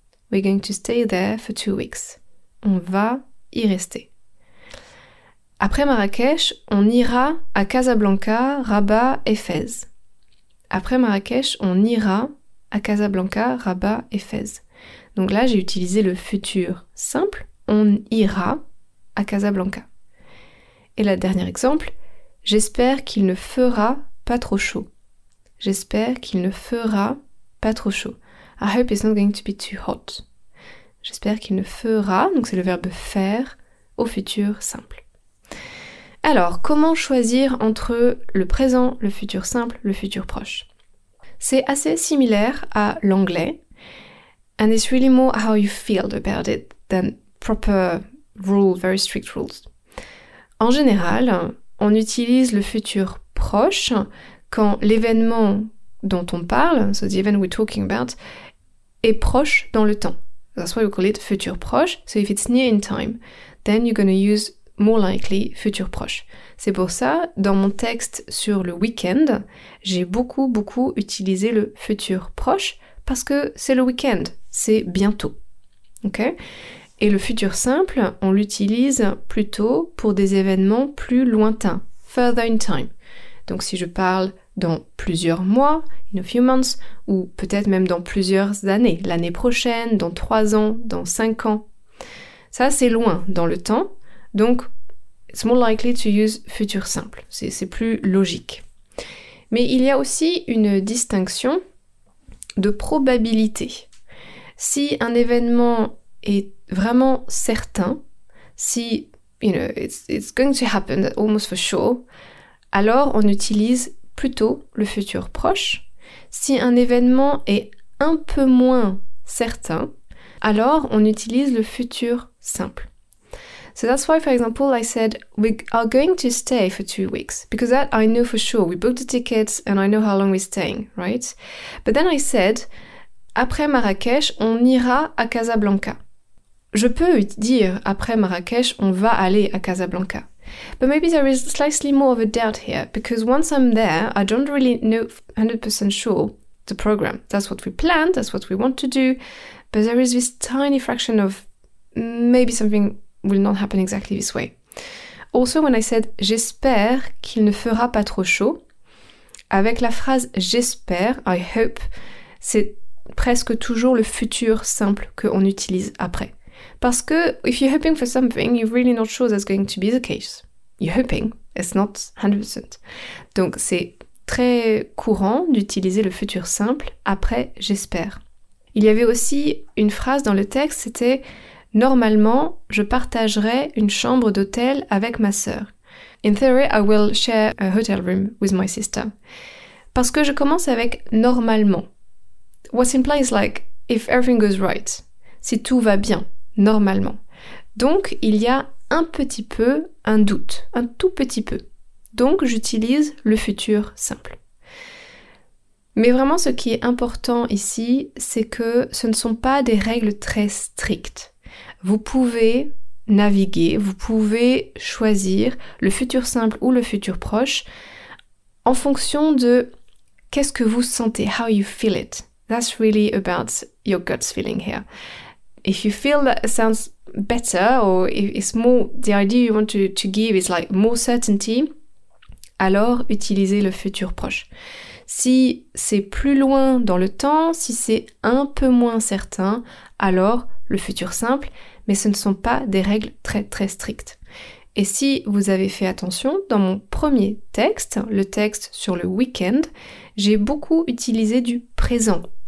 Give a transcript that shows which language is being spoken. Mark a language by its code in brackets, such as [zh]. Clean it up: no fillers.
[en] We're going to stay there for 2 weeks. [fr] On va y rester. Après Marrakech, on ira à Casablanca, Rabat et Fès. Après Marrakech, on ira à Casablanca, Rabat et Fès. Donc là, j'ai utilisé le futur simple. On ira à Casablanca. Et le dernier exemple, j'espère qu'il ne fera pas trop chaud. J'espère qu'il ne fera pas trop chaud. [en] I hope it's not going to be too hot. [fr] J'espère qu'il ne fera, donc c'est le verbe faire, au futur simple. Alors, comment choisir entre le présent, le futur simple, le futur proche? C'est assez similaire à l'anglais. [en] And it's really more how you feel about it than proper rule, very strict rules. [fr] En général, on utilise le futur proche quand l'événement dont on parle, [en] so the event we're talking about, [fr] est proche dans le temps. [en] That's why we call it futur proche. So if it's near in time, then you're going to use more likely futur proche. [fr] C'est pour ça, dans mon texte sur le week-end, j'ai beaucoup, beaucoup utilisé le futur proche parce que c'est le week-end, c'est bientôt. Ok? Et le futur simple, on l'utilise plutôt pour des événements plus lointains, [en] further in time. [fr] Donc si je parle dans plusieurs mois, [en] in a few months, [fr] ou peut-être même dans plusieurs années, l'année prochaine, dans 3 ans, dans 5 ans. Ça, c'est loin dans le temps, donc [en] it's more likely to use [fr] futur simple, c'est plus logique. Mais il y a aussi une distinction de probabilité. Si un événement est vraiment certain, si, [en] you know, it's going to happen almost for sure, [fr] alors on utilise plutôt le futur proche. Si un événement est un peu moins certain, alors on utilise le futur simple. [en] So that's why, for example, I said, we are going to stay for 2 weeks. Because that I know for sure, we booked the tickets and I know how long we're staying, right? But then I said, [fr] après Marrakech, on ira à Casablanca. Je peux dire, après Marrakech, on va aller à Casablanca. [en] But maybe there is slightly more of a doubt here, because once I'm there, I don't really know 100% sure the program. That's what we planned, that's what we want to do, but there is this tiny fraction of maybe something will not happen exactly this way. Also, when I said [fr] « j'espère qu'il ne fera pas trop chaud », avec la phrase « j'espère »,« [en] I hope [fr] », c'est presque toujours le futur simple qu'on utilise après. Parce que, [en] if you're hoping for something, you're really not sure that's going to be the case. You're hoping, It's not 100%. [fr] Donc, c'est très courant d'utiliser le futur simple après « j'espère ». Il y avait aussi une phrase dans le texte, c'était « Normalement, je partagerai une chambre d'hôtel avec ma sœur. » [en] In theory, I will share a hotel room with my sister. [fr] Parce que je commence avec « normalement ». [en] What's implied is like « if everything goes right », [fr] si tout va bien, normalement. Donc, il y a un petit peu un doute, un tout petit peu. Donc, j'utilise le futur simple. Mais vraiment, ce qui est important ici, c'est que ce ne sont pas des règles très strictes. Vous pouvez naviguer, vous pouvez choisir le futur simple ou le futur proche en fonction de qu'est-ce que vous sentez, [en] how you feel it. That's really about your gut's feeling here. If you feel that it sounds better or if it's more, the idea you want to give is like more certainty, [fr] alors utilisez le futur proche. Si c'est plus loin dans le temps, si c'est un peu moins certain, alors le futur simple, mais ce ne sont pas des règles très très strictes. Et si vous avez fait attention, dans mon premier texte, le texte sur le week-end, j'ai beaucoup utilisé du présent.